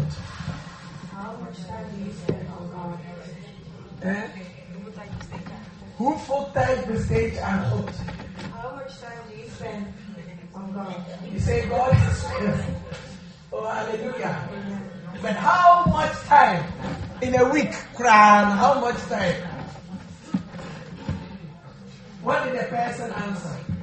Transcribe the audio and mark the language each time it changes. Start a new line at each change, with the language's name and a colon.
English: How much time do you spend on God?
Dutch: Hoeveel tijd besteed je aan God?
English: How much time do you spend on God? You say God is oh, hallelujah. But how much time in a week, Kran? How much time? What did the person answer?